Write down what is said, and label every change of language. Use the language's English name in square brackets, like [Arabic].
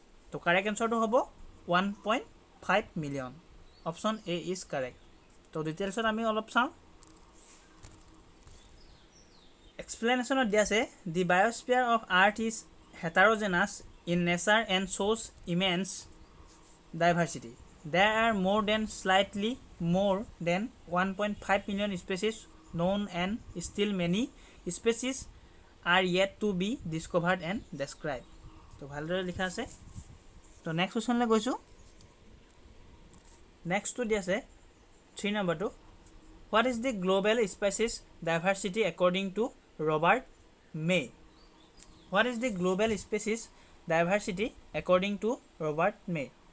[Assamese] তো কাৰেক্ট এনচাৰটো হ'ব 1.5 million, option A is correct. তো ডিটেইলছত আমি অলপ চাওঁ। এক্সপ্লেনেশ্যনত দিয়া আছে, [English] The biosphere of earth is heterogeneous in nature and shows immense diversity. There are more than slightly more than 1.5 million species known and still many species are yet to be discovered and described. [Assamese] So, ভালদৰে লিখা আছে। তো next কুৱেশ্যনলৈ গৈছোঁ। নেক্সটটো দি আছে 3 নম্বৰটো, [English] What is the global species diversity according to Robert May? What is the global species diversity according to Robert May?